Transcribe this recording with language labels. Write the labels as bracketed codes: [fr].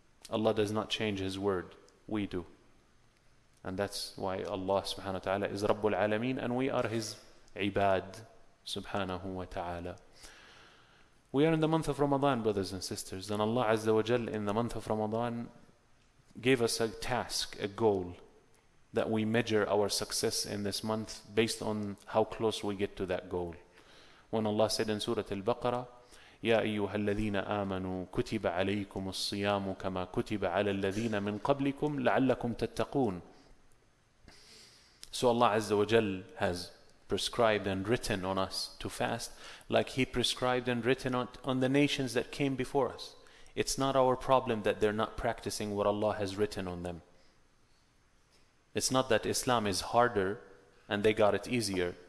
[en] Allah does not change His word. We do. And that's why Allah subhanahu wa ta'ala is Rabbul Alameen and we are His ibad subhanahu wa ta'ala. We are in the month of Ramadan, brothers and sisters. And Allah Azza wa Jal in the month of Ramadan gave us a task, a goal, that we measure our success in this month based on how close we get to that goal. When Allah said in Surah Al-Baqarah, [ar] يَا أَيُّهَا الَّذِينَ آمَنُوا كُتِبَ عَلَيْكُمُ الصِّيَامُ كَمَا كُتِبَ عَلَى الَّذِينَ مِنْ قَبْلِكُمْ لَعَلَّكُمْ تَتَّقُونَ. [en] So Allah Azza wa Jal has prescribed and written on us to fast like He prescribed and written on the nations that came before us. It's not our problem that they're not practicing what Allah has written on them. It's not that Islam is harder and they got it easier.